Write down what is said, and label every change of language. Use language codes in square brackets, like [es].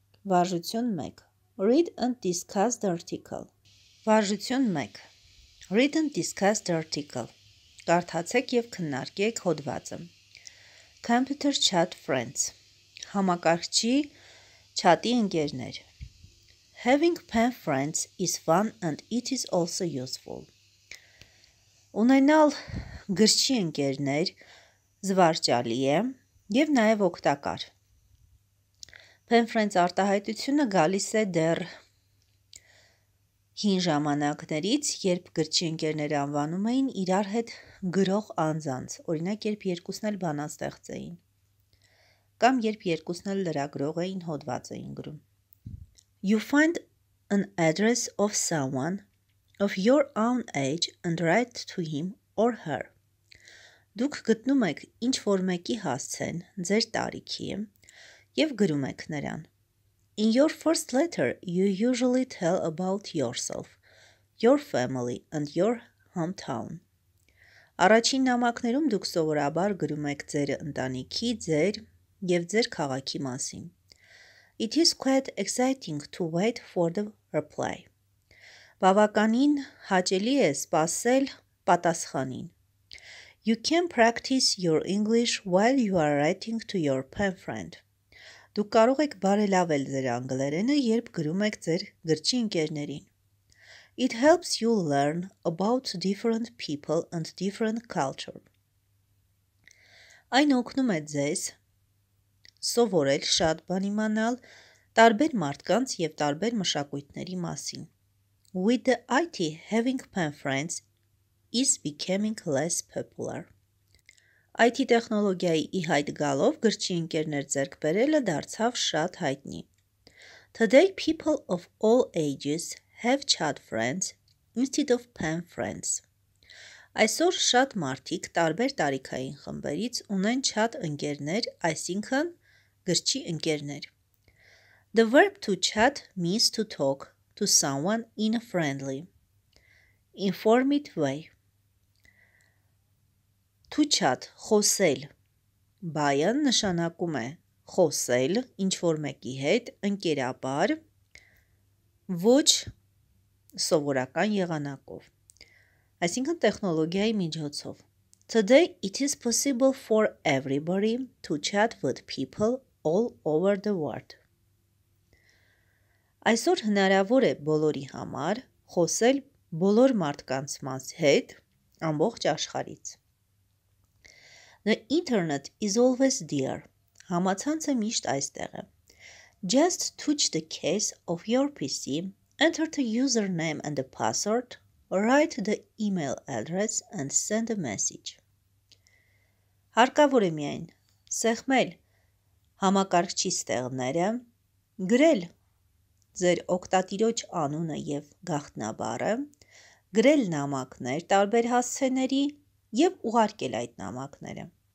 [hy] Վարժություն 1. [en] Read and discuss the article. Վարժություն 1. Read and discuss the article. [hy] Կարդացեք և քննարկեք հոդվածը. [en] Computer chat friends. [hy] Համակարգչի չատի ընկերներ. [en] Having pen friends is fun and it is also useful. [hy] Ունենալ գրչի ընկերներ զվարճալի է և նաև օգտակար. Pen friends արտահայտությունը գալիս է դեռ հին ժամանակներից, երբ գրչի ընկերներ անվանում էին իրար հետ գրող անձանց, օրինակ երբ երկուսն էլ բանաստեղծ էին, կամ երբ երկուսն էլ լրագրող էին հոդված էին գրում. [en] You find an address of someone of your own age and write to him or her. [hy] Դուք գտնում եք ինչ-որ մեկի հասցեն ձեր տարիքի և գրում եք նրան. [en] In your first letter, you usually tell about yourself, your family and your hometown. [hy] Առաջին նամակներում դուք սովորաբար գրում եք ձեր ընտանիքի, ձեր և ձեր քաղաքի մասին. [en] It is quite exciting to wait for the reply. [hy] Բավականին հաճելի է սպասել պատասխանին. [en] You can practice your English while you are writing to your pen friend. [hy] Դուք կարող եք բարելավել ձեր անգլերենը, երբ գրում եք ձեր գրչի ընկերներին. [en] It helps you learn about different people and different culture. [hy] Այն օգնում է ձեզ սովորել շատ բան իմանալ տարբեր մարդկանց և տարբեր մշակույթների մասին. [en] With the IT, having pen friends is becoming less popular. [hy] IT տեխնոլոգիայի ի հայտ գալով գրչի ընկերներ ձեռք բերելը դարձավ շատ հայտնի. [en] Today people of all ages have chat friends instead of pen friends. [hy] Այսօր շատ մարդիկ տարբեր տարիքային խմբերից ունեն chat ընկերներ, այսինքն գրչի ընկերներ. [en] The verb to chat means to talk to someone in a friendly, informal way. [hy] To chat, խոսել, բայան նշանակում է խոսել ինչ-որ մեկի հետ, ընկերաբար, ոչ սովորական եղանակով, այսինքն տեխնոլոգիայի միջոցով. [en] Today it is possible for everybody to chat with people all over the world. [hy] Այսօր հնարավոր է բոլորի համար խոսել բոլոր մարդկանց մաս հետ ամբողջ աշխարից. [en] The internet is always there. [hy] Համացանցը միշտ այստեղ է. [en] Just touch the case of your PC, enter the username and the password, write the email address and send a message. [hy] Հարկավոր է միայն սեղմել համակարգչի ստեղները, գրել ձեր օգտատիրոջ անունը և գաղտնաբառը, գրել նամակներ տարբեր հասցեների և ուղարկել այդ նամակները.